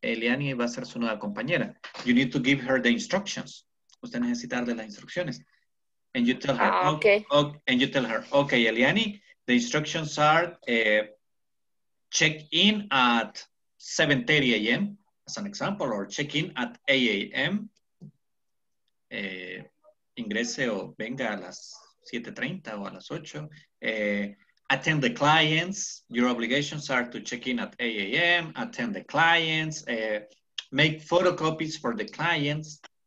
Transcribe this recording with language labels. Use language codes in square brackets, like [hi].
[es] Eliani va a ser su nueva compañera. [en] You need to give her the instructions. [es] Usted necesita darle las instrucciones. [en] And you tell her. Okay, Eliani, the instructions are check in at 7:30 a.m. as an example, or check in at 8 a.m. [es] Ingrese o venga a las 7:30 o a las 8. [en] Attend the clients. Your obligations are to check in at 8 a.m., attend the clients, make photocopies for the clients.